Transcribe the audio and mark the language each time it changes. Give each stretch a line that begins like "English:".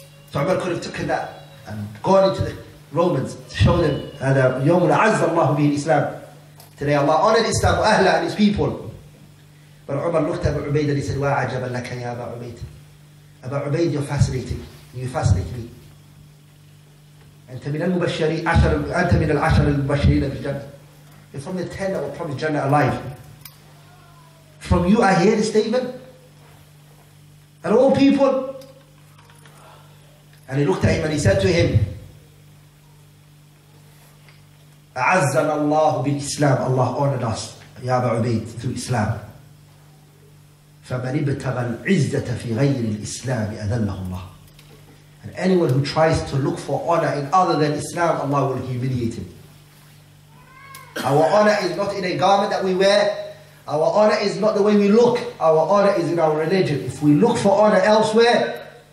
English: So Umar could have taken that and gone into the Romans to show them that
Arabic: يَوْمُ لَعَزَّ اللَّهُ بِهِ الْإِسْلَامِ.
English: Today Allah honored Islam
Arabic: وأهلا
English: and his people. But Umar looked at Abu Ubaid and he said,
Arabic: وَعَجَبَ لَكَ يَا أَبَا عُبَيْد.
English: Abu Ubaid, you're fascinating. You fascinate me.
Arabic: أنت من المبشرين عشر أنت من العشر المبشرين بالجنة.
English: You're from the ten that were promised Jannah alive. From you, I hear the statement. And all people. And he looked at him and he said to him,
Arabic: أعزنا الله بالإسلام.
English: Allah honored us,
Arabic: يا أبا عبيد,
English: through Islam.
Arabic: فمن ابتغى العزة في غير الإسلام أذله الله.
English: And anyone who tries to look for honor in other than Islam, Allah will humiliate him. Our honor is not in a garment that we wear. Our honor is not the way we look. Our honor is in our religion. If we look for honor elsewhere,